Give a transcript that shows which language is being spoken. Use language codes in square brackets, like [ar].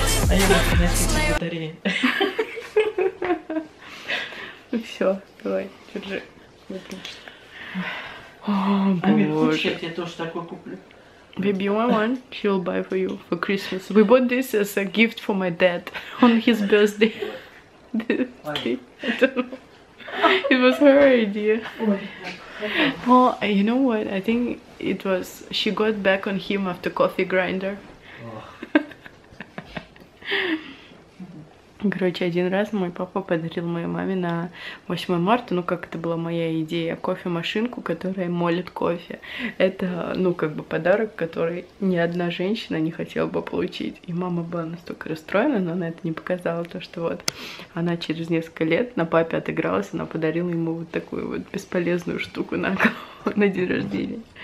[ru] А я могу носить батареи. Ну все, давай, держи. О, боже. Амир, хочешь, я тебе тоже такой куплю? [en] Baby, you want one? She'll buy for you for Christmas. We bought this as a gift for my dad on his birthday. I don't know. It was her idea. Well, you know what? I think it was she got back on him after coffee grinder. [ru] Короче, один раз мой папа подарил моей маме на 8 марта, ну как это была моя идея, кофемашинку, которая молит кофе. Это, ну как бы подарок, который ни одна женщина не хотела бы получить. И мама была настолько расстроена, но она это не показала, то что вот она через несколько лет на папе отыгралась, она подарила ему вот такую вот бесполезную штуку на голову, на день рождения.